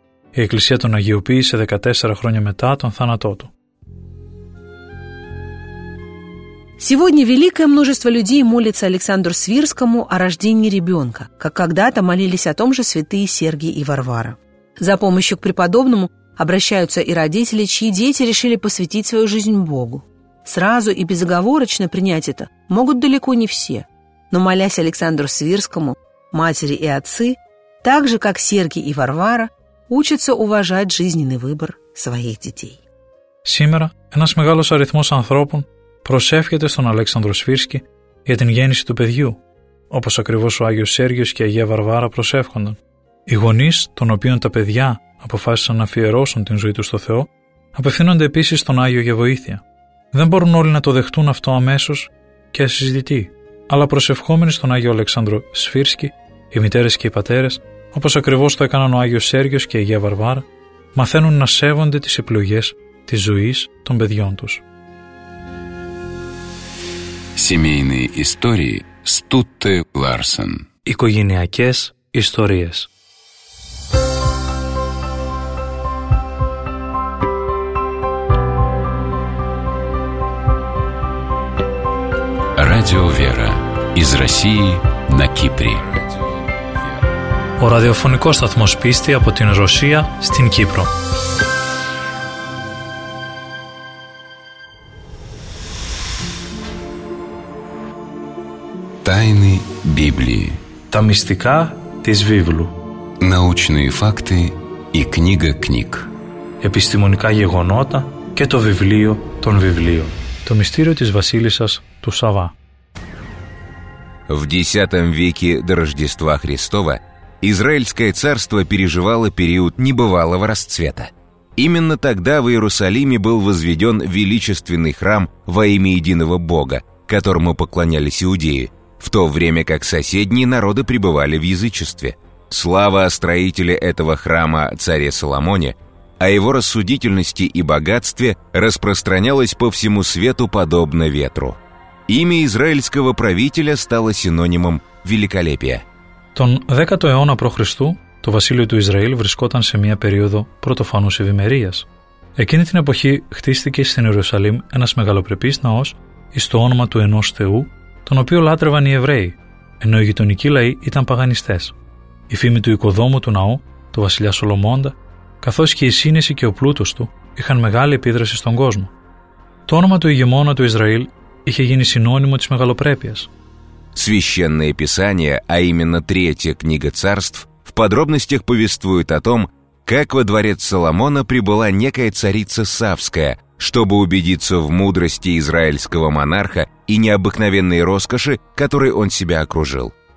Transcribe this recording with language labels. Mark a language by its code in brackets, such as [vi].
[el] Η Εκκλησία τον αγιοποίησε 14 χρόνια μετά τον θάνατό του. [ru] Сегодня великое множество людей молится Александру Свирскому о рождении ребенка, как когда-то молились о том же святые Сергий и Варвара. За помощью к преподобному обращаются и родители, чьи дети решили посвятить свою жизнь Богу. Сразу и безоговорочно принять это могут далеко не все. Но молясь Александру Свирскому, матери и отцы, так же, как Сергий и Варвара, учатся уважать жизненный выбор своих детей. Сегодня [el] ένας μεγάλος αριθμός ανθρώπων προσεύχεται στον Αλέξανδρο Σφύρσκι για την γέννηση του παιδιού, όπως ακριβώς ο Άγιος Σέργιος και η Αγία Βαρβάρα προσεύχονταν. Οι γονείς, των οποίων τα παιδιά αποφάσισαν να αφιερώσουν την ζωή τους στο Θεό, απευθύνονται επίσης στον Άγιο για βοήθεια. Δεν μπορούν όλοι να το δεχτούν αυτό αμέσως και ασυζητητοί, αλλά προσευχόμενοι στον Άγιο Αλέξανδρο Σφύρσκι, οι μητέρες και οι πατέρες, όπως ακριβώς το έκαναν ο Άγιος Σέργιος και η Αγία Βαρβάρα, μαθαίνουν να σέβονται τις επιλογές της ζωής των παιδιών τους. [ru] Семейные истории Стутте Ларсен. [el] Οικογενειακές ιστορίες. [ru] Радио Вера. Из России на Кипре. [el] Ο ραδιοφωνικός σταθμός πίστη από την Ρωσία στην Κύπρο. [ru] Тайны Библии. [el] Та мистика тис Библу. [ru] Научные факты и книга книг. [el] Эпистемоника гегонота και το βιβλίο των βιβλίων. Το μυστήριο της βασίλισσας του Σαββά. [ru] В X веке до Рождества Христова Израильское царство переживало период небывалого расцвета. Именно тогда в Иерусалиме был возведен величественный храм во имя единого Бога, которому поклонялись иудеи, в то время как соседние народы пребывали в язычестве. Слава о строителе этого храма, царе Соломоне, о его рассудительности и богатстве распространялась по всему свету подобно ветру. Имя израильского правителя стало синонимом великолепия. [el] Τον 10ο αιώνα π.Χ. το βασίλειο του Ισραήλ βρισκόταν σε μια περίοδο πρωτοφανούς ευημερίας. Εκείνη την εποχή χτίστηκε στην Ιερουσαλήμ ένας μεγαλοπρεπής ναός εις το όνομα του ενός θεού, τον οποίο λάτρευαν οι Εβραίοι, ενώ οι γειτονικοί λαοί ήταν παγανιστές. Η φήμη του οικοδόμου του ναού, του βασιλιά Σολομώντα, καθώς και η σύνεση και ο πλούτος του, είχαν μεγάλη επίδραση στον κόσμο. Το όνομα του ηγεμόνα του Ισραήλ είχε γίνει συνώνυμο της μεγαλοπρέπειας. [ru] Священное Писание, а именно Третья книга царств, в подробностях повествует о том, как во дворец Соломона прибыла некая царица Савская, чтобы убедиться в мудрости израильского монарха и необыкновенной роскоши, которой он себя окружил.